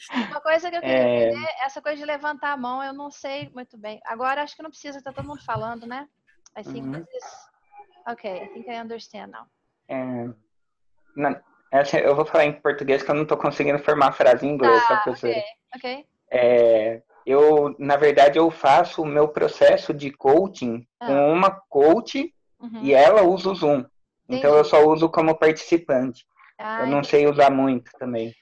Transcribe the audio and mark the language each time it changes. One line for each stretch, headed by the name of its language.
Portuguese: Uma coisa que eu queria entender, essa coisa de levantar a mão, eu não sei muito bem. Agora acho que não precisa, tá todo mundo falando, né?
English: I think uh-huh. this is okay, I think I understand now.
Portuguese: Essa eu vou falar em português que eu não tô conseguindo formar a frase em inglês, tá, professora? Ok. Eu, na verdade, eu faço o meu processo de coaching com uma coach e ela usa o Zoom. Entendi. Então, eu só uso como participante. Eu não sei usar muito também.